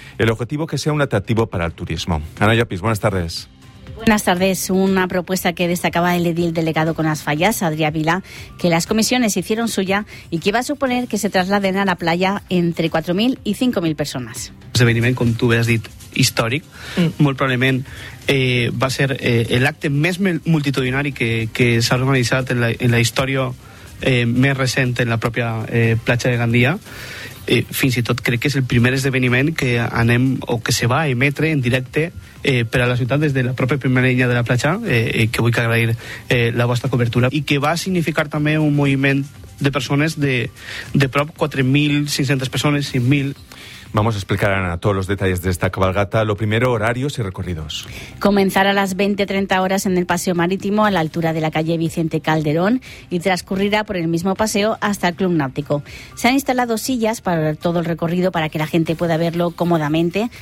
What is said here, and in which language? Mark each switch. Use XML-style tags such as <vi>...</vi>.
<es>El objetivo, que sea un atractivo para el turismo. Ana Llopis, buenas tardes. Buenas tardes. Una propuesta que destacaba el edil delegado con las Fallas, Adrià Vila, que las comisiones hicieron suya y que va a suponer que se trasladen a la playa entre 4.000 y 5.000 personas.</es> <ca>Esdeveniment, com tu has dit, històric. Molt probablement va ser l'acte més multitudinari que s'ha organitzat en la història més recent en la pròpia platja de Gandia. Fins i tot crec que és el primer esdeveniment que anem o que se va a emetre en directe per a la ciutat des de la pròpia primera línia de la platja, que vull agrair la vostra cobertura, i que va significar també un moviment de persones de prop 4.500 persones, 5.000.</ca> <es>Vamos a explicar, Ana, todos los detalles de esta cabalgata. Lo primero, horarios y recorridos. Comenzará a las 20:30 horas en el Paseo Marítimo, a la altura de la calle Vicente Calderón, y transcurrirá por el mismo paseo hasta el Club Náutico. Se han instalado sillas para todo el recorrido para que la gente pueda verlo cómodamente.</es>